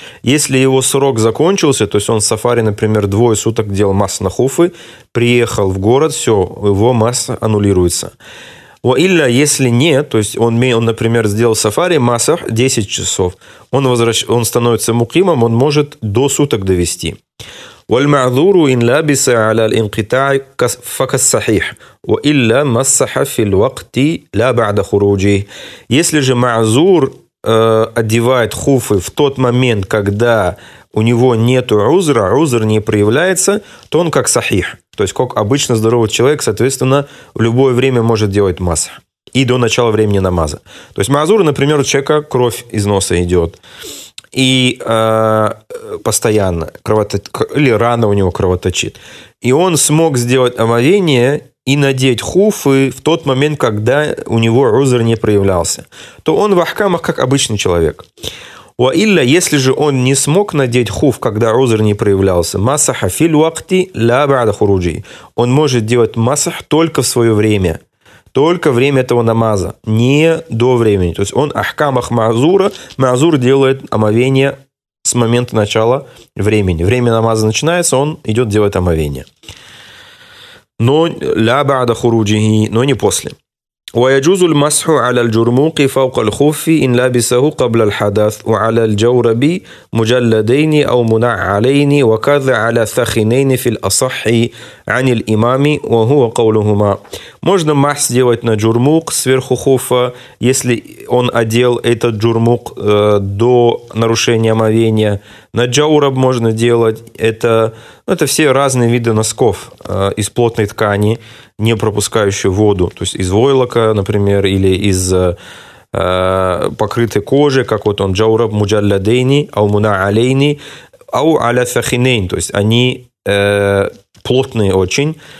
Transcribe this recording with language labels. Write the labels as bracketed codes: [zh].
[ru] Если его срок закончился, то есть он в сафаре, например, двое суток делал масх на хуфы, приехал в город, все, его масса аннулируется. Ва илля, если нет, то есть он, например, сделал в сафаре масах 10 часов, он становится мукимом, он может до суток довести. [ar] والمعذور إن لابس على الانقطاع فك الصحيح وإلا مسح في الوقت لا بعد خروجه. [ru] Если же معذور одевает хуфы в тот момент, когда у него нету узра, узр не проявляется, то он как сахих, то есть как обычно здоровый человек, соответственно, в любое время может делать масах и до начала времени намаза. То есть маазур, например, у человека кровь из носа идет. И постоянно или рана у него кровоточит. И он смог сделать омовение и надеть хуфы в тот момент, когда у него узр не проявлялся. То он в ахкамах как обычный человек. Ва илля, если же он не смог надеть хуф, когда узр не проявлялся, [ar] масаха филь вакти ля баада хуруджи. [ru] Он может делать масах только в свое время. Только время этого намаза, не до времени. То есть он ахкамах маазура, маазур делает омовение с момента начала времени. Время намаза начинается, он идет делать омовение. Но [ar] ля баада хуруджихи, [ru] но не после. [ar] ويجوز المسح على الجرموق فوق الخف إن لابسه قبل الحدث وعلى الجورب مجلدين أو منعلين وكذا على ثخنين في الأصح عن الإمام وهو قولهما. [ru] Можно масс сделать на джурмук сверху хуфа, если он одел этот джурмук до нарушения омовения. На джаураб можно делать это. Это все разные виды носков из плотной ткани, не пропускающую воду, то есть из войлока, например, или из покрытой кожи, как вот он, [ar] джаураб муджалладейни, аумуна алейни, ау аля сахинейн, [ru] то есть они плотные очень,